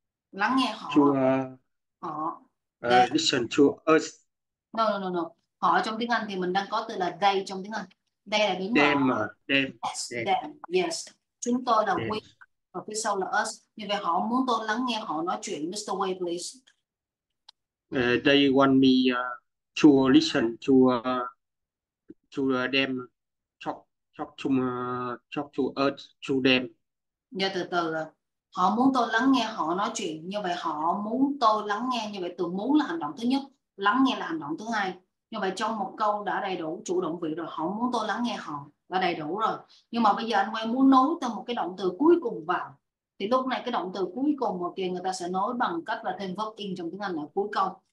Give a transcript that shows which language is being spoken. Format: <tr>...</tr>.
<vi>Lắng nghe họ. They.</vi> <en>listen to us No.</en> <vi>Họ trong tiếng Anh thì mình đang có từ là they trong tiếng Anh. Đây là đứng mà them, yes. Chúng tôi là we và phía sau là us. Như vậy họ muốn tôi lắng nghe họ nói chuyện.</vi> <en>Mr. Way, please. they want me to listen to them talk to</en> <vi>Giờ từ từ là họ muốn tôi lắng nghe họ nói chuyện. Như vậy họ muốn tôi lắng nghe. Như vậy từ muốn là hành động thứ nhất. Lắng nghe là hành động thứ hai. Như vậy trong một câu đã đầy đủ chủ động vị rồi, họ muốn tôi lắng nghe họ là đầy đủ rồi. Nhưng mà bây giờ anh quay muốn nối thêm một cái động từ cuối cùng vào thì lúc này cái động từ cuối cùng một kia người ta sẽ nối bằng cách là thêm verb in trong tiếng Anh ở cuối câu.</vi>